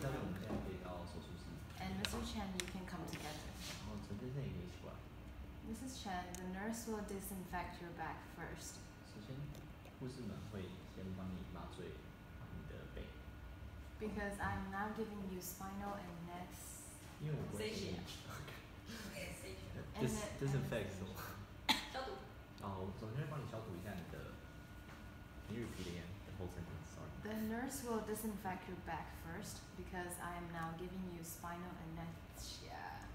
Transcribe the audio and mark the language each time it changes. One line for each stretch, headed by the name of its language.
Chinese: 现在我们可以到手术室。
English: And Mr. Chen, you can come together.
Chinese: 然后陈先生也可以出来。
English: Mrs. Chen, the nurse will disinfect your back first.
Chinese: 首先，护士们会先帮你麻醉你的背。
English: Because I'm now giving you spinal and neck.
Chinese: 因为我不会。Disinfect 什么？消毒。哦，首先帮你消毒一下你的。
English: Can you repeat again the whole sentence? Sorry. The nurse will disinfect your back first because I am now giving you spinal anesthesia.